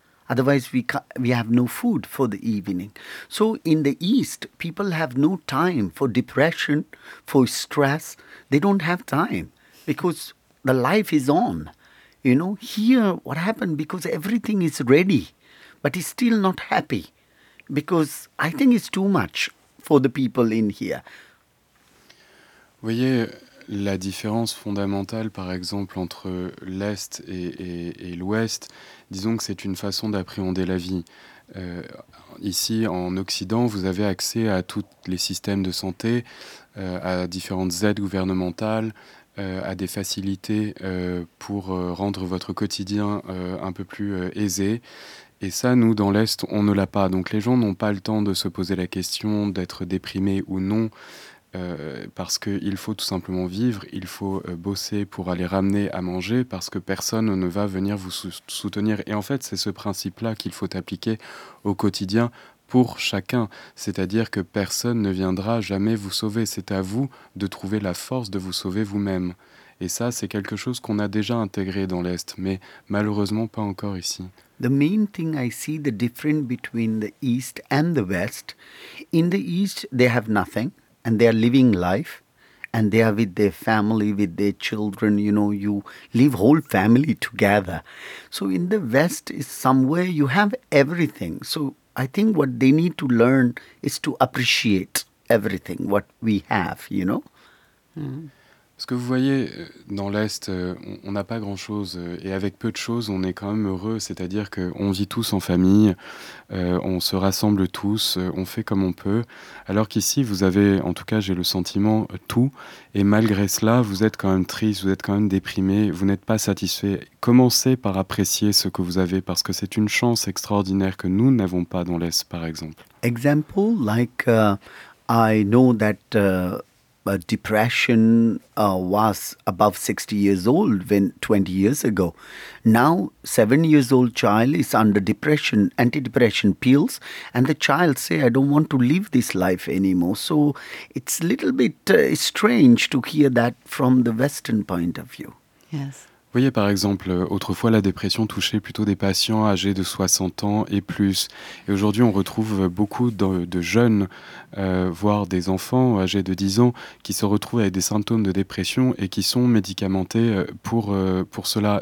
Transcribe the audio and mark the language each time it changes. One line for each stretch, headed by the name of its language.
English: Otherwise, we have no food for the evening. So in the East, people have no time for depression, for stress. They don't have time because the life is on. You know, here, what happened? Because everything is ready, but he's still not happy. Because I think it's too much for the people in here.
French: Voyez, la différence fondamentale, par exemple, entre l'Est et l'Ouest, disons que c'est une façon d'appréhender la vie. Ici, en Occident, vous avez accès à tous les systèmes de santé, à différentes aides gouvernementales, à des facilités pour rendre votre quotidien un peu plus aisé. Et ça, nous, dans l'Est, on ne l'a pas. Donc les gens n'ont pas le temps de se poser la question d'être déprimés ou non, parce qu'il faut tout simplement vivre, il faut bosser pour aller ramener à manger, parce que personne ne va venir vous soutenir. Et en fait, c'est ce principe-là qu'il faut appliquer au quotidien pour chacun. C'est-à-dire que personne ne viendra jamais vous sauver. C'est à vous de trouver la force de vous sauver vous-même. Et ça, c'est quelque chose qu'on a déjà intégré dans l'Est, mais malheureusement pas encore ici.
English: The main thing I see the difference between the East and the West. In the East, they have nothing and they are living life and they are with their family, with their children. You know, you live whole family together. So in the West, is somewhere you have everything. So I think what they need to learn is to appreciate everything what we have. You know. Mm-hmm.
French: Ce que vous voyez, dans l'Est, on n'a pas grand-chose. Et avec peu de choses, on est quand même heureux. C'est-à-dire qu'on vit tous en famille, on se rassemble tous, on fait comme on peut. Alors qu'ici, vous avez, en tout cas, j'ai le sentiment, tout. Et malgré cela, vous êtes quand même triste, vous êtes quand même déprimé, vous n'êtes pas satisfait. Commencez par apprécier ce que vous avez, parce que c'est une chance extraordinaire que nous n'avons pas dans l'Est, par exemple.
English: Example, like, I know that... depression was above 60 years old when 20 years ago. Now, 7 years old child is under depression, antidepressant pills, and the child say, I don't want to live this life anymore. So it's a little bit strange to hear that from the Western point of view. Yes.
French: Vous voyez, par exemple, autrefois, la dépression touchait plutôt des patients âgés de 60 ans et plus. Et aujourd'hui, on retrouve beaucoup de jeunes, voire des enfants âgés de 10 ans, qui se retrouvent avec des symptômes de dépression et qui sont médicamentés pour cela.